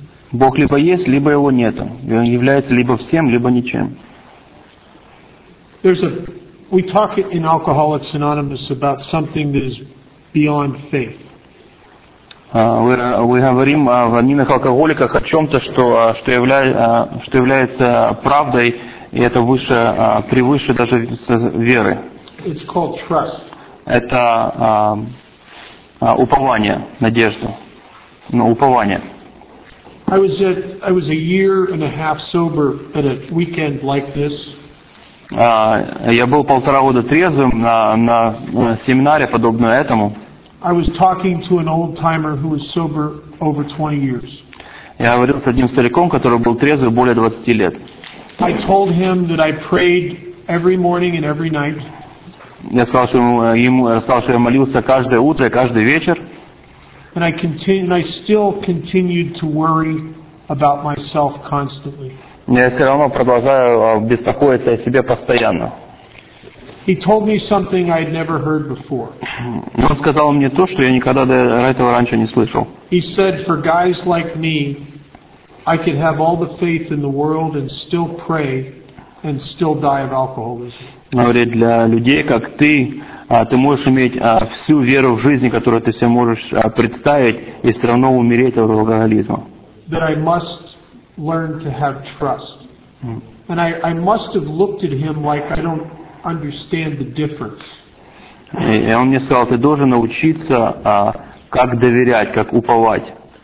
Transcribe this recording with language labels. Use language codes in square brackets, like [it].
[ru] Бог либо есть, либо его нету. И он является либо всем, либо ничем. [en] We talk in Alcoholics Anonymous about something that is beyond faith. [ru] Мы говорим в анонимных алкоголиках о чем-то, что является правдой, и это выше, превыше даже веры. [en] It's called trust. [ru] Это упование, надежда. Ну, упование. [en] I was a year and a half sober at a weekend like this. [ru] Я был полтора года трезвым на семинаре, подобно этому. [en] I was talking to an old timer who was sober over 20 years. [ru] Я говорил с одним стариком, который был трезвый более 20 лет. [en] I told him that I prayed every morning and every night. [ru] Я сказал, что я молился каждое утро и каждый вечер. [en] And I still continued to worry about myself constantly. [ru] Я все равно продолжаю беспокоиться о себе постоянно. [en] He told me something I had never heard before. [ru] Он сказал мне то, что я никогда до этого раньше не слышал. [en] He said, for guys like me, I could have all the faith in the world and still pray and still die of alcoholism. [ru] Говорит, для людей, как ты, ты можешь иметь всю веру в жизни, которую ты себе можешь представить, и все равно умереть от алкоголизма. [en] That I must learn to have trust. And I must have looked at him like I don't understand the difference. [ru] И он мне сказал, ты должен научиться как доверять, как уповать.